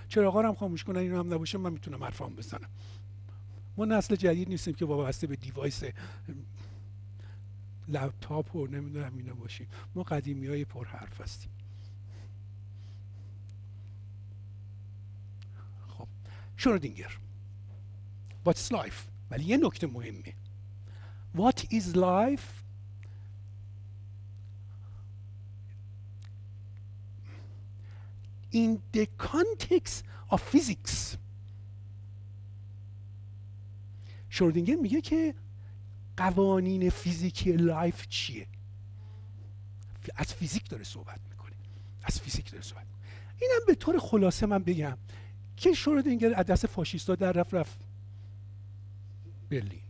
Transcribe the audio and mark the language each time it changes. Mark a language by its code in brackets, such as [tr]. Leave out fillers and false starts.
[fa] چراغا رو هم خاموش کنن، اینو هم نباشه من میتونم حرفام بزنم. ما نسل جدید نیستیم که وابسته به دیوایس لپتاپ و نمیدونم اینا باشیم. ما قدیمی های پر حرف هستیم. شرودینگر، [en] What's life؟ [fa] ولی یه نکته مهمه. [en] What is life؟ In the context of physics. [fa] شرودینگر میگه که قوانین فیزیکی لایف چیه؟ از فیزیک داره صحبت میکنه. از فیزیک داره صحبت میکنه. اینم به طور خلاصه من بگم که شرودینگر از دست فاشیستا در رفت رفت برلین.